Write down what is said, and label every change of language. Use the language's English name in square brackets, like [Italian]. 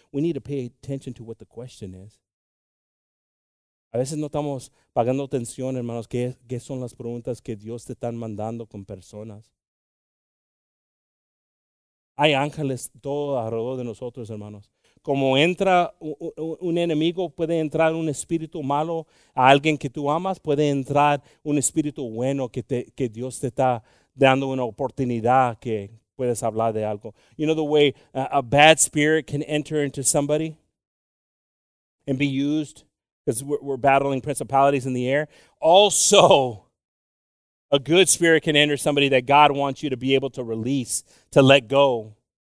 [English] We need to pay attention to what the question is. [Spanish] A veces no estamos pagando atención, hermanos. ¿Qué son las preguntas que Dios te está mandando con personas? Hay ángeles todo alrededor de nosotros, hermanos. Como entra un enemigo, puede entrar un espíritu malo a alguien que tú amas, puede entrar un espíritu bueno que Dios te está dando una oportunidad que puedes hablar de algo. [English] You know the way a bad spirit can enter into somebody and be used because we're battling principalities in the air. Also, a good spirit can enter somebody that God wants you to be able to release, to let go.